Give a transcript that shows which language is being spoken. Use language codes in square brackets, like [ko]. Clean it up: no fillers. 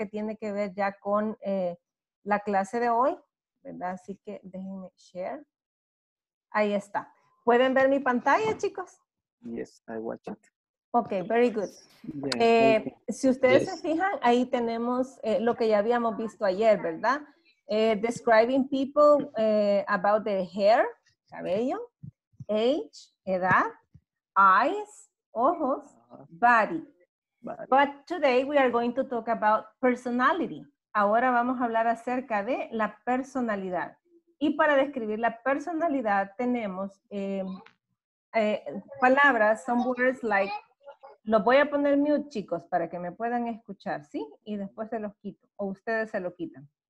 [es] Que tiene que ver ya con la clase de hoy, ¿verdad? Así que déjenme share. Ahí está. ¿Pueden ver mi pantalla, chicos? [en] Yes, I watch it. Ok, very good. Yes, [es] si ustedes yes. se fijan, ahí tenemos lo que ya habíamos visto ayer, ¿verdad? [en] Describing people about their hair, cabello, age, edad, eyes, ojos, body. But today we are going to talk about personality. [es] Ahora vamos a hablar acerca de la personalidad. Y para describir la personalidad tenemos palabras, [en] some words like, [es] los voy a poner mute, chicos, para que me puedan escuchar, ¿sí? Y después se los quito, o ustedes se lo quitan.